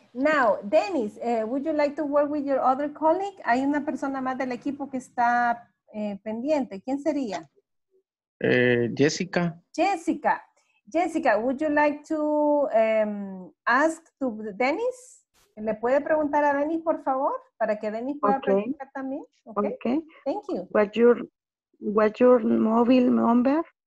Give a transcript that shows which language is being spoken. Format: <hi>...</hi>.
<en>Now, Dennis, would you like to work with your other colleague?</en> <es>Hay una persona más del equipo que está pendiente. ¿Quién sería? Jessica. Jessica.</es> <en>Jessica, would you like to ask to Dennis?</en> <es>¿Le puede preguntar a Dennis, por favor? Para que Dennis pueda preguntar también.</es> <en>Okay. Thank you. What's your mobile number?</en>